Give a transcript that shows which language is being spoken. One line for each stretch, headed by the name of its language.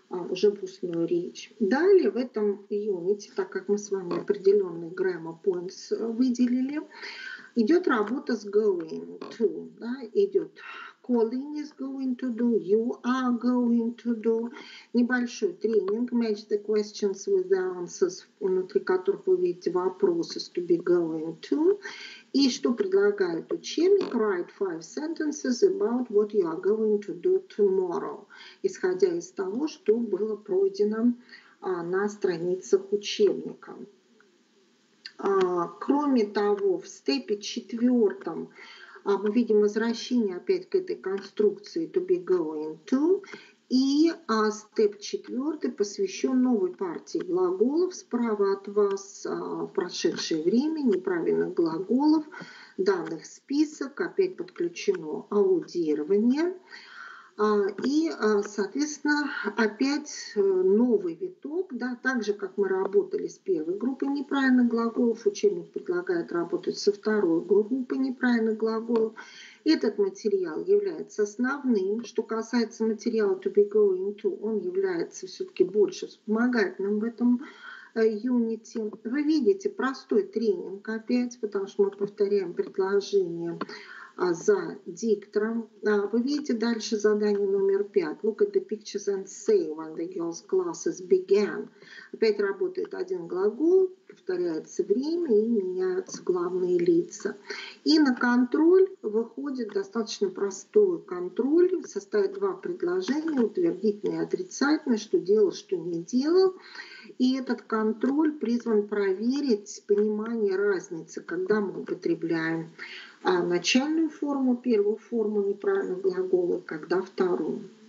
Russian: Уже в устную речь. Далее в этом юните, так как мы с вами определенный
English: grammar points
Russian: выделили, идет работа с going to. Да, идет
English: calling is going to do, you are going to do.
Russian: Небольшой тренинг,
English: match the questions with the answers,
Russian: внутри которых вы видите вопросы с to be going to. И что предлагает учебник?
English: Write 5 sentences about what you are going to do tomorrow.
Russian: Исходя из того, что было пройдено на страницах учебника. Кроме того, в степе четвертом мы видим возвращение опять к этой конструкции to be going to. И степ четвертый посвящен новой партии глаголов. Справа от вас прошедшее время, неправильных глаголов, данных список. Опять подключено аудирование. Соответственно, опять новый виток. Да, так же, как мы работали с первой группой неправильных глаголов, учебник предлагает работать со второй группой неправильных глаголов. Этот материал является основным. Что касается материала to be going to, он является все-таки больше вспомогательным в этом юнити. Вы видите простой тренинг опять, потому что мы повторяем предложение за диктором. Вы видите дальше задание номер 5.
English: Look at the pictures and say when the girls' classes began.
Russian: Опять работает один глагол, повторяется время и меняются главные лица. И на контроль выходит достаточно простой контроль. Составит два предложения, утвердительное и отрицательное, что делал, что не делал. И этот контроль призван проверить понимание разницы, когда мы употребляем начальную форму, первую форму неправильного глагола, когда вторую.